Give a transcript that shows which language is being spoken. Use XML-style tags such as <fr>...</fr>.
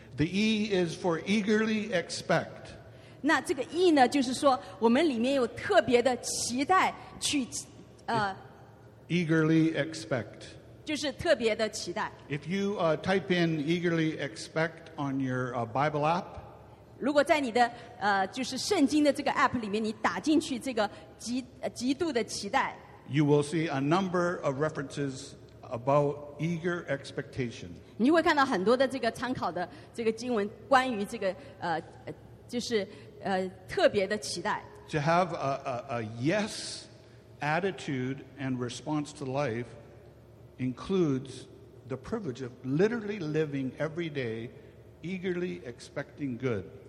<en>The E is for eagerly expect.</en> <zh>那这个E呢，就是说我们里面有特别的期待去，</zh> <en>eagerly expect.</en> <zh>就是特别的期待。</zh> <en>If you type in eagerly expect on your Bible app,</en> <zh>如果在你的就是圣经的这个app里面，你打进去这个极度的期待，</zh> <en>you will see a number of references about eager expectation.</en> <zh>你会看到很多的这个参考的这个经文，关于这个就是特别的期待。</zh> <en>To have a yes attitude and response to life includes the privilege of literally living every day eagerly expecting good.</en>